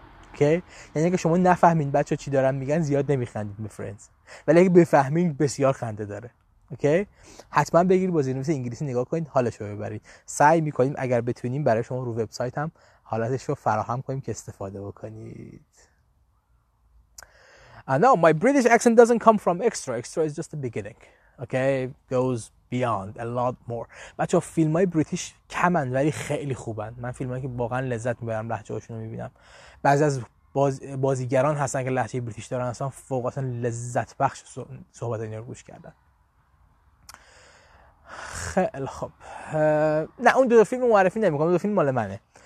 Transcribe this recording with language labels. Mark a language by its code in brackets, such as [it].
[fa] اوکی؟ یعنی اگه شما نفهمین بچه ها چی دارن میگن زیاد نمیخندید به فرندز، ولی اگه بفهمین بسیار خنده داره. اوکی؟ حتما بگیر بازی‌نویس انگلیسی نگاه کنید، حالش رو ببرید. سعی میکنیم اگر بتونیم برای شما رو وبسایت هم حالتش رو فراهم کنیم که استفاده بکنید. [en] No, my British accent doesn't come from Extra. Extra is just the beginning. Okay, goes beyond a lot more. [fa] بچه ها فیلم های بریتیش کمن ولی خیلی خوبن. من فیلم هایی که واقعا لذت میبرم لحجه هاشون رو میبینم. بعضی از بازیگران هستن که لحجه بریتیش دارن، اصلا فوق اصلا لذت بخش صحبت اینا رو گوش کردن. خیلی خوب. نه اون دو فیلم معرفی نمی کنم. دو فیلم مال منه.